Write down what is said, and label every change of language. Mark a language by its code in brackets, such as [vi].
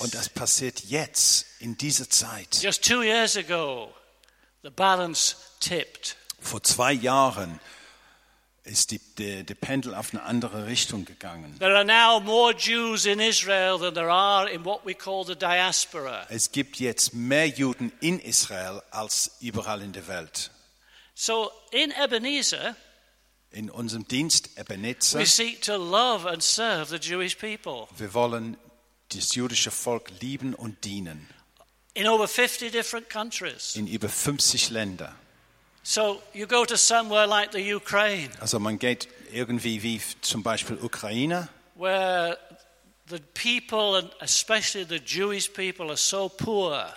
[de] Und das passiert jetzt, in dieser Zeit. [en] Just 2 years ago, the balance tipped. [de] Vor 2 Jahren ist der Pendel auf eine andere Richtung gegangen. [en] There are now more Jews in Israel than there are in what we call the diaspora. [de] Es gibt jetzt mehr Juden in Israel als überall in der Welt. [en] So in Ebenezer, [de] in unserem Dienst Ebenezer, [en] we seek to love and serve the Jewish people. [de] Wir wollen das jüdische Volk lieben und dienen. [en] In over 50 different countries. [de] In über 50 Länder. [en] So you go to somewhere like the Ukraine. [de] Also man geht irgendwie wie zum Beispiel Ukraine. [en] Where the people and especially the Jewish people are so poor.